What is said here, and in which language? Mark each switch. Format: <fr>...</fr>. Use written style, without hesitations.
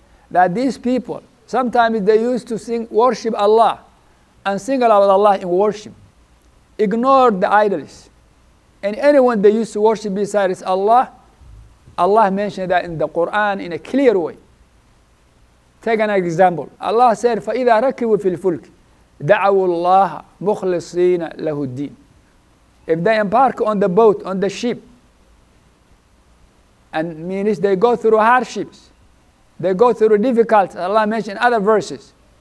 <en>that these people, sometimes they used to sing, worship Allah, and single out Allah in worship. Ignore the idols. And anyone they used to worship besides Allah, Allah mentioned that in the Quran in a clear way. Take an example. Allah said,</en> <ar>فَإِذَا رَكِبُوا فِي الْفُلْكِ دَعَوُوا اللَّهَ مُخْلِصِينَ لَهُ الدِّينَ.</ar> <en>If they embark on the boat, on the ship, and means they go through hardships, they go through difficulties. Allah mentioned other verses.</en>